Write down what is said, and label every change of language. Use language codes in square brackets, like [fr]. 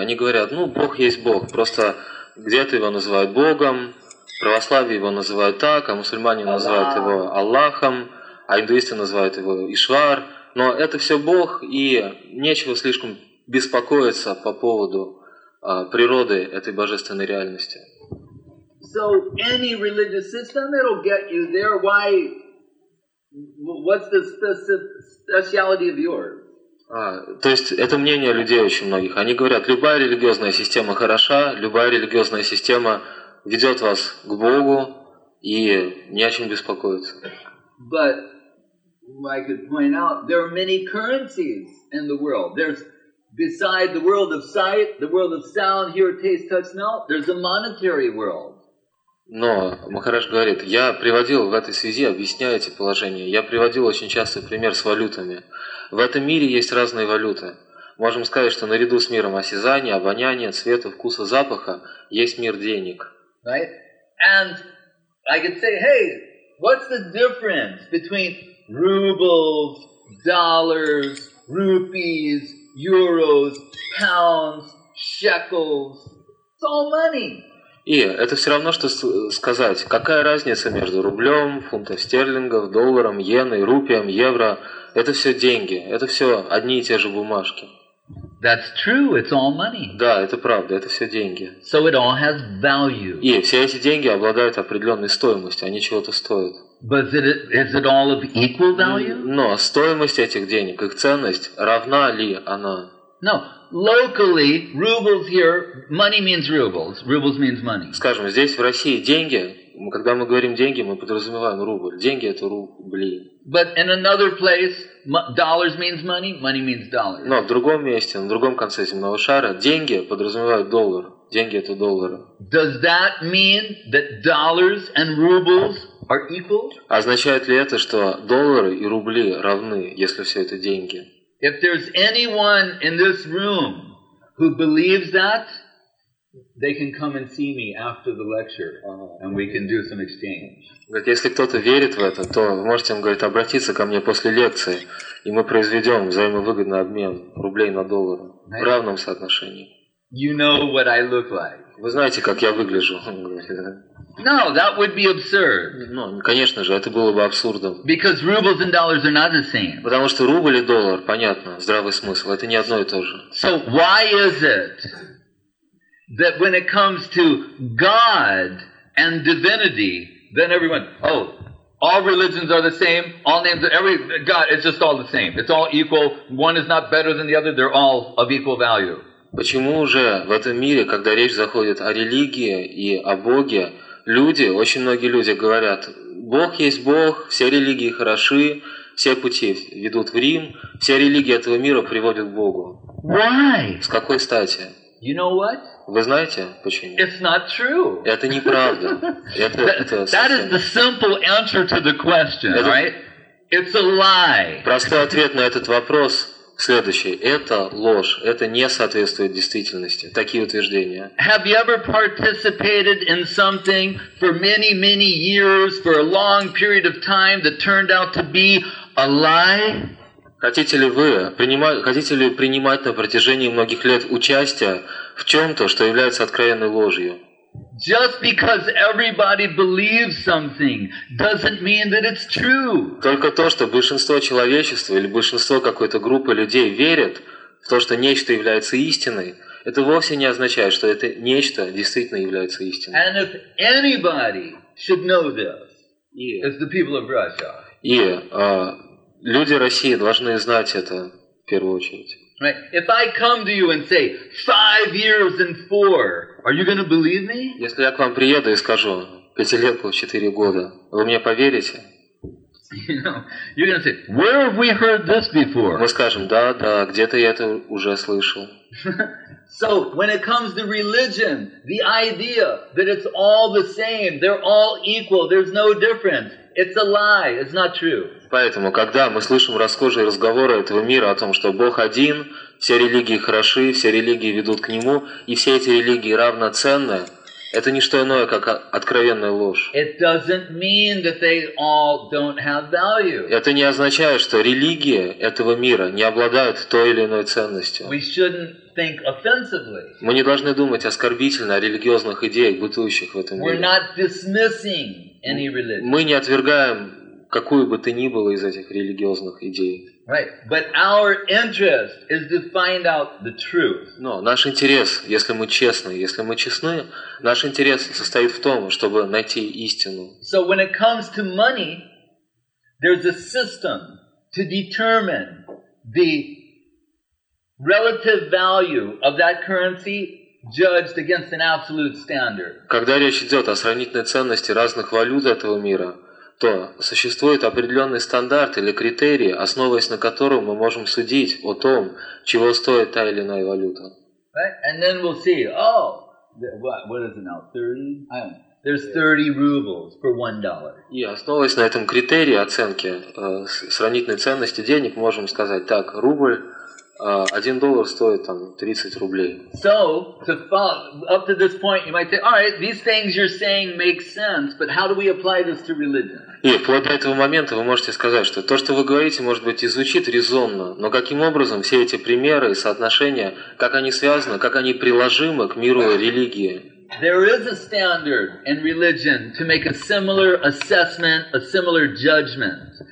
[ru] Они говорят, ну, Бог есть Бог, просто где-то его называют Богом, в православии его называют так, а мусульмане Аллах. Называют его Аллахом, а индуисты называют его Ишвар. Но это все Бог, и нечего слишком беспокоиться по поводу природы этой божественной реальности. [en] So, any religious system, it'll get you there. Why? What's the speciality of yours? [ru] То есть это мнение людей очень многих. Они говорят, любая религиозная система хороша, любая религиозная система ведет вас к Богу и не о чем беспокоиться. [en] But I could point out there are many currencies in the world. There's beside the world of sight, the world of sound, hear, taste, touch, smell. There's a monetary world. [ru] Но Махарадж говорит, я приводил в этой связи, объясняю эти положения, я приводил очень часто пример с валютами. В этом мире есть разные валюты. Можем сказать, что наряду с миром осязания, обоняния, цвета, вкуса, запаха, есть мир денег. [en] Right? And I could say, hey, what's the difference between rubles, dollars, rupees, euros, pounds, shekels? It's all money. [ru] И это все равно, что сказать, какая разница между рублем, фунтом стерлингов, долларом, иеной, рупием, евро. Это все деньги, это все одни и те же бумажки. [en] That's true, it's all money. [ru] Да, это правда, это все деньги. [en] So it all has value. [ru] И все эти деньги обладают определенной стоимостью, они чего-то стоят. [en] But is it all of equal value? [ru] Но стоимость этих денег, их ценность, равна ли она? [en] No. Locally, rubles here, money means rubles. Rubles means money. [ru] Скажем, здесь в России деньги, когда мы говорим деньги, мы подразумеваем рубль. Деньги это рубли. [en] But in another place, dollars means money, money means dollars. [ru] Но в другом месте, на другом конце земного шара, деньги подразумевают доллар. Деньги это доллары. [en] Does that mean that dollars and rubles are equal? [ru] Означает ли это, что доллары и рубли равны, если все это деньги? [en] If there's anyone in this room who believes that, they can come and see me after the lecture, and we can do some exchange. [ru] Говорит, если кто-то верит в это, то вы можете, он говорит, обратиться ко мне после лекции, и мы произведем взаимовыгодный обмен рублей на доллары в равном соотношении. [en] You know what I look like. [ru] Вы знаете, как я выгляжу. [en] No, that would be absurd. [ru] Ну, конечно же, это было бы абсурдом. [en] Because rubles and dollars are not the same. [ru] Потому что рубль и доллар, понятно, здравый смысл, это не одно и то же. [en] So why is it that when it comes to God and divinity, then everyone, oh, all religions are the same, all names, every God, it's just all the same. It's all equal. One is not better than the other. They're all of equal value. [ru] Почему же в этом мире, когда речь заходит о религии и о Боге, люди, очень многие люди говорят, Бог есть Бог, все религии хороши, все пути ведут в Рим, все религии этого мира приводят к Богу. [en] Why? [ru] С какой стати? [en] You know what? [ru] Вы знаете почему? [en] It's not true. [ru] Это неправда. [en] That is the simple answer to the question, right? It's a lie. [ru] Простой ответ на этот вопрос следующий. Это ложь. Это не соответствует действительности. Такие утверждения. [en] Have you ever participated in something for many, many years, for a long period of time that turned out to be a lie? [ru] Хотите ли принимать на протяжении многих лет участие в чем-то, что является откровенной ложью? [en] Just because everybody believes something doesn't mean that it's true. [ru] Только то, что большинство человечества или большинство какой-то группы людей верят в то, что нечто является истиной, это вовсе не означает, что это нечто действительно является истиной. [en] And if anybody should know this, it's the people of Russia. [ru] И люди России должны знать это в первую очередь. [en] Right. If I come to you and say 5 years and 4, are you going to believe me? [ru] Если я к вам приеду и скажу пятилетку 4 года, вы мне поверите? [en] You know, you're going to say, where have we heard this before? [ru] Мы скажем, да, где-то я это уже слышал. [en] So when it comes to religion, the idea that it's all the same, they're all equal, there's no difference, it's a lie, it's not true. [ru] Поэтому, когда мы слышим расхожие разговоры этого мира о том, что Бог один, все религии хороши, все религии ведут к нему, и все эти религии равноценны, это не что иное, как откровенная ложь. [en] It doesn't mean that they all don't have value. [ru] Это не означает, что религии этого мира не обладают той или иной ценностью. [en] We shouldn't think offensively. [ru] Мы не должны думать оскорбительно о религиозных идеях, бытующих в этом мире. [en] We're not dismissing any religion. [ru] Мы не отвергаем какую бы то ни было из этих религиозных идей. [en] Right. But our interest is to find out the truth. [ru] Но наш интерес, если мы честны, наш интерес состоит в том, чтобы найти истину. [en] So when it comes to money, there's a system to determine the relative value of that currency judged against an absolute standard. [ru] Когда речь идет о сравнительной ценности разных валют этого мира, то существует определенный стандарт или критерий, основываясь на котором мы можем судить о том, чего стоит та или иная валюта. [en] And then we'll see, oh, what is it now, 30? There's 30 rubles for $1. [ru] И основываясь на этом критерии оценки сравнительной ценности денег, можем сказать, так, рубль, $1 стоит там 30 рублей. [en] So, to follow, up to this point, you might say, all right, these things you're saying make sense, but how do we apply this to religion? [ru] И вплоть до этого момента вы можете сказать, что то, что вы говорите, может быть, и звучит резонно, но каким образом все эти примеры и соотношения, как они связаны, как они приложимы к миру религии? [en] There is a standard in religion to make a similar assessment, a similar judgment.